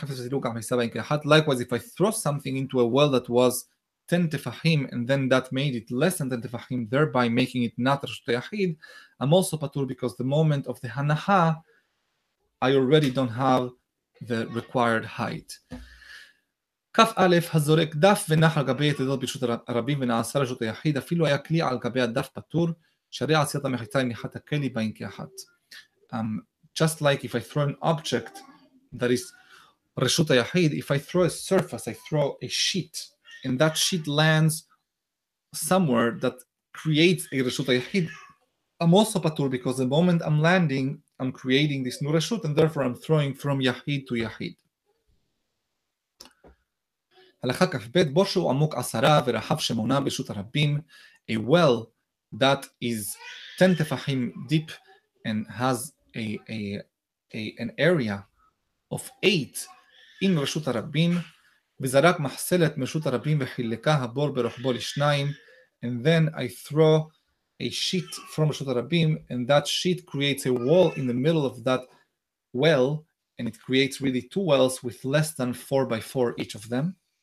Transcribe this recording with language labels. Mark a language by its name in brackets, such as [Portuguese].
[English] Likewise, if I throw something into a well that was 10 tefahim, and then that made it less than 10 tefahim, thereby making it not Rashut HaYahid, I'm also patur, because the moment of the hanaha, I already don't have the required height. [Hebrew] כף א', הזורק דף ונח על גבי יתדות ברשות הרבים ונעשה רשות היחיד, אפילו היה כלי על גבי הדף פטור, שהרי עשיית המחיצה עם יחד הכלי בין כאחת. [English] Just like if I throw an object that is רשות היחיד, if I throw a surface, I throw a sheet, and that sheet lands somewhere that creates a רשות היחיד, I'm also פטור because the moment I'm landing, I'm creating this new רשות, and therefore I'm throwing from יחיד to יחיד. [Hebrew] הלכה כף בית, בור שהוא עמוק עשרה ורחב שמונה ברשות הרבים, [English] a well that is 10 תפחים deep and has an area of 8 in רשות הרבים, [Hebrew] וזרק מחסלת מרשות הרבים וחילקה הבור ברוחבו לשניים, [English] and then I throw a sheet from רשות הרבים, and that sheet creates a wall in the middle of that well, and it creates really two wells with less than 4x4 each of them.